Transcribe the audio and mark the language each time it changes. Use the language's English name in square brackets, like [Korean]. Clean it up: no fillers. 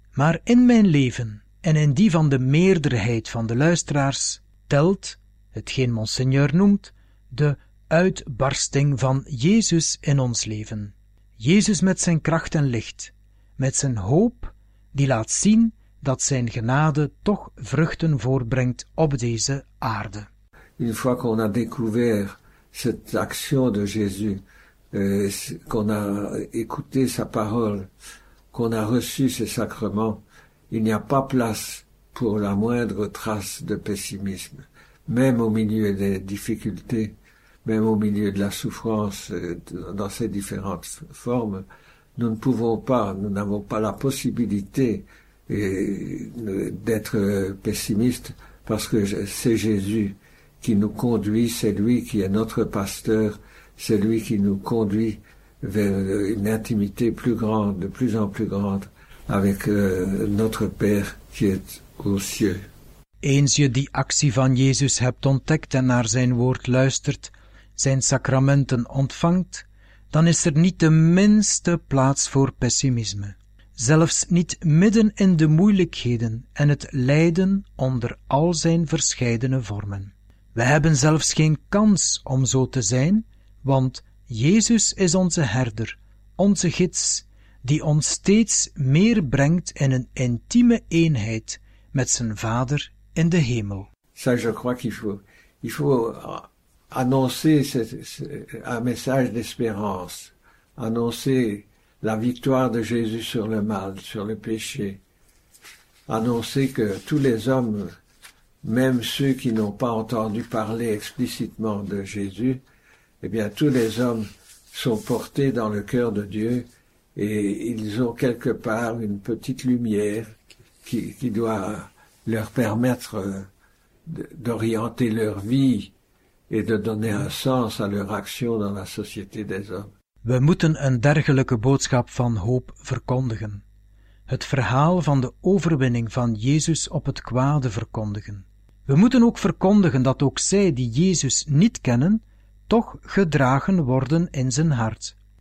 [Dutch] Maar in mijn leven en in die van de meerderheid van de luisteraars telt, hetgeen Monseigneur noemt, de uitbarsting van Jezus in ons leven. Jezus met zijn kracht en licht, met zijn hoop, die laat zien dat zijn genade toch vruchten voorbrengt op deze aarde. [French] Une fois qu'on a découvert cette action de Jésus, qu'on a écouté sa parole, qu'on a reçu ses sacrements, il n'y a pas place pour la moindre trace de pessimisme. Même au milieu des difficultés, même au milieu de la souffrance, dans ses différentes formes, nous ne pouvons pas, nous n'avons pas la possibilité d'être pessimistes, parce que c'est Jésus qui nous conduit, c'est lui qui est notre pasteur, c'est lui qui nous conduit vers une intimité plus grande, de plus en plus grande, avec notre Père qui est aux cieux. [Dutch] Eens je die actie van Jezus hebt ontdekt en naar zijn woord luistert, zijn sacramenten ontvangt, dan is er niet de minste plaats voor pessimisme. Zelfs niet midden in de moeilijkheden en het lijden onder al zijn verscheidene vormen. We hebben zelfs geen kans om zo te zijn, want Jezus is onze herder, onze gids, die ons steeds meer brengt in een intieme eenheid met zijn Vader in de hemel. [French] Ça, je crois qu'il faut annoncer un message d'espérance, annoncer la victoire de Jésus sur le mal, sur le péché, annoncer que tous les hommes, même ceux qui n'ont pas entendu parler explicitement de Jésus, eh bien, tous les hommes sont portés dans le cœur de Dieu et ils ont quelque part une petite lumière qui doit leur permettre d'orienter leur vie et de donner un sens à leur action dans la société des hommes. [Dutch] We moeten een dergelijke boodschap van hoop verkondigen. Het verhaal van de overwinning van Jezus op het kwade verkondigen. We moeten ook verkondigen dat ook zij die Jezus niet kennen, toch gedragen worden in zijn hart.